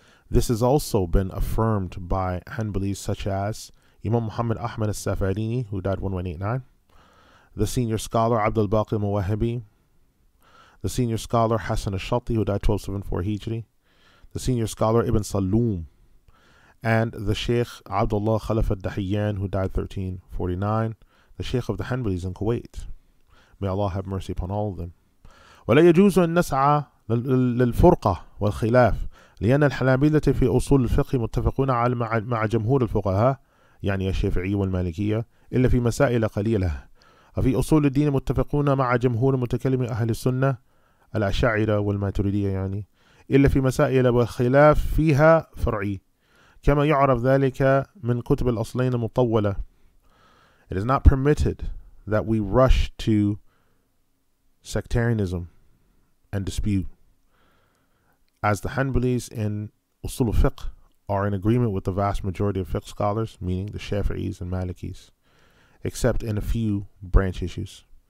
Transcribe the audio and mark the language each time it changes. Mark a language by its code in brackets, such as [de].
[en] This has also been affirmed by Hanbalis such as Imam Muhammad Ahmad al-Safarini, who died 1189, the senior scholar Abdul Baqi al-Muwahhibi, the senior scholar Hassan al-Shati, who died 1274 Hijri, the senior scholar Ibn Saloom, and the Sheikh Abdullah Khalaf al-Dahiyan, who died 1349, the Sheikh of the Hanbalis in Kuwait. May Allah have mercy upon all of them. [ar] وَلَا يَجُوزُ أَن نَسْعَى لِلْفُرْقَةِ وَالْخِلَافِ لِأَنَّ الْحَنَابِلَةَ فِي أُصُولِ الْفِقْهِ مُتَّفَقُونَ عَلَى مَعَ جَمْهُورِ الْفُقَهَاءِ يعني الشافعي والمالكية إلا في مسائل قليلة وفي أصول الدين متفقون مع جمهور متكلم أهل السنة الأشاعرة والماتريدية يعني إلا في مسائل والخلاف فيها فرعي كما يعرف ذلك من كتب الأصلين المطولة. [en] It is not permitted that we rush to sectarianism and dispute, as the Hanbalis in Usul al-Fiqh are in agreement with the vast majority of fiqh scholars, meaning the Shafi'is and Malikis, except in a few branch issues.